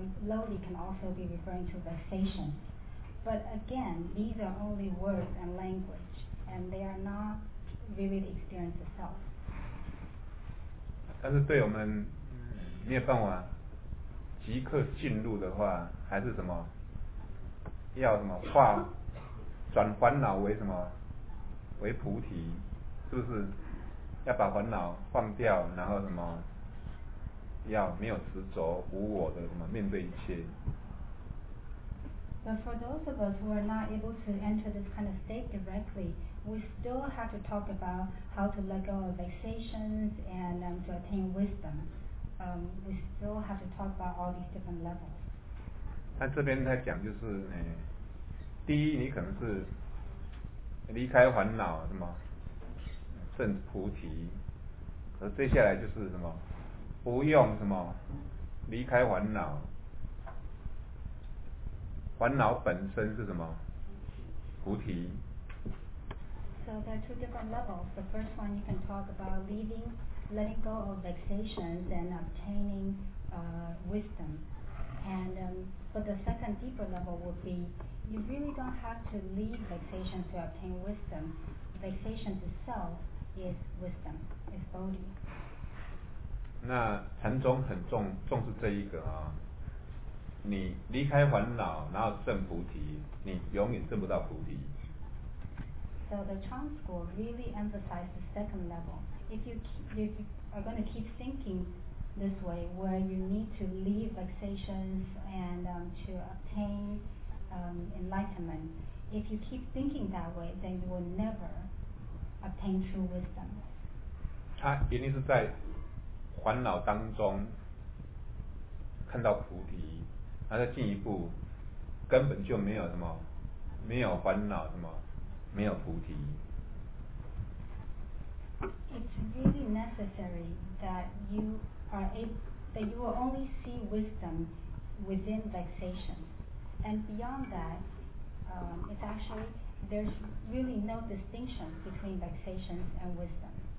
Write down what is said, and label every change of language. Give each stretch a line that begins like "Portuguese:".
English: Lowly can also be referring to vexation. But again, these are only words and language, and they are not really the experience itself.
Chinese: 但是对我们没有办法即刻进入的话，还是什么要什么化转烦恼为什么为菩提，是不是要把烦恼放掉，然后什么要没有执着无我的什么面对一切。
English: But for those of us who are not able to enter this kind of state directly, we still have to talk about how to let go of vexations and to attain wisdom. We still have to talk about all these different levels.
Chinese: 那这边他讲就是，第一，你可能是离开烦恼，什么证菩提，而接下来就是什么不用什么离开烦恼。烦恼本身是什么？菩提。
English: So there are two different levels. The first one you can talk about letting go of vexations and obtaining wisdom. And but the second deeper level would be you really don't have to leave vexations to obtain wisdom. Vexations itself is wisdom. It's Bodhi.
Chinese: 那禅宗很重视这一个啊。你离开烦恼，然后证菩提，你永远证不到菩提。
English: So the Chan school really emphasizes the second level. If you are going to keep thinking this way, where you need to leave vexations and to obtain enlightenment, if you keep thinking that way, then you will never obtain true wisdom.
Chinese: 他一定是在烦恼当中看到菩提。那再进一步，根本就没有什么，没有烦恼，什么，没有菩提。
English: It's really necessary that you are able, that you will only see wisdom within vexation, and beyond that, it's actually there's really no distinction between vexations and wisdom.